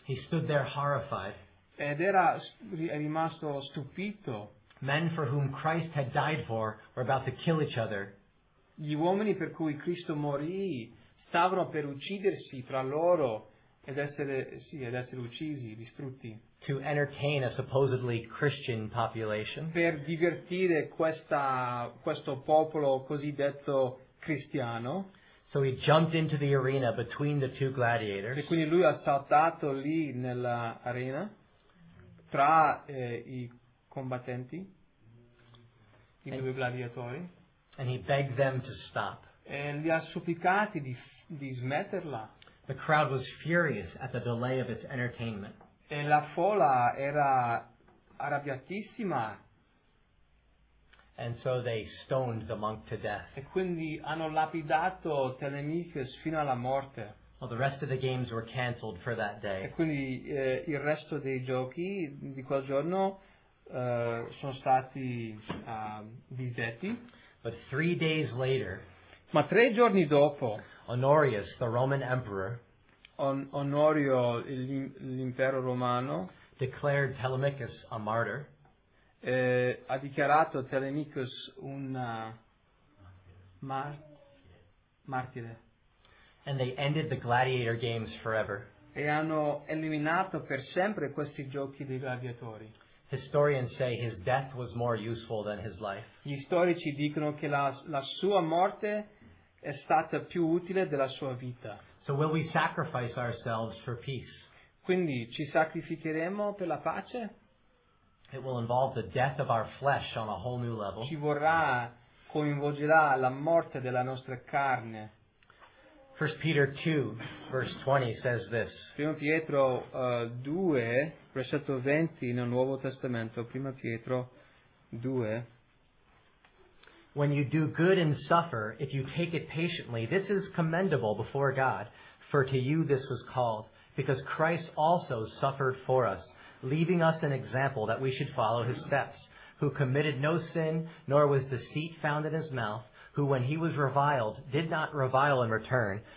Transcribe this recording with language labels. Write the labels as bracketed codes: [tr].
[en] he stood there horrified. [it] Ed era rimasto stupito. [en] Men for whom Christ had died for were about to kill each other. [it] Gli uomini per cui Cristo morì stavano per uccidersi tra loro ed essere uccisi, distrutti. [en] To entertain a supposedly Christian population. [it] Per divertire questo popolo cosiddetto cristiano. [en] So he jumped into the arena between the two gladiators. [it] E quindi lui ha saltato lì nella arena tra i combattenti, i due gladiatori. [en] And he begged them to stop. [it] E li ha supplicati di smetterla. [en] The crowd was furious at the delay of its entertainment. [it] E la folla era arrabbiatissima. [en] And so they stoned the monk to death. [it] E quindi hanno lapidato Telemachus fino alla morte. [en] Well, the rest of the games were cancelled for that day. [it] E quindi il resto dei giochi di quel giorno sono stati disdetti. [en] But 3 days later, [it] ma 3 giorni dopo, [en] Honorius, the Roman emperor, [it] Onorio, l'impero romano, [en] declared Telemachus a martyr. [it] Ha dichiarato Telemachus un martire. [en] And they ended the gladiator games forever. [it] E hanno eliminato per sempre questi giochi dei gladiatori. [en] Historians say his death was more useful than his life. [it] Gli storici dicono che la sua morte è stata più utile della sua vita. [en] So will we sacrifice ourselves for peace? [it] Quindi ci sacrificheremo per la pace? [en] It will involve the death of our flesh on a whole new level. [it] Ci vorrà, coinvolgerà la morte della nostra carne. [en] 1 Peter 2, verse 20 says this. [it] 1 Pietro 2, versetto 20 nel Nuovo Testamento. 1 Pietro 2. [en] When you do good and suffer, if you take it patiently, this is commendable before God. For to you this was called, because Christ also suffered for us, leaving us an example that we should follow his steps, who committed no sin, nor was deceit found in his mouth, who when he was reviled, did not revile in return.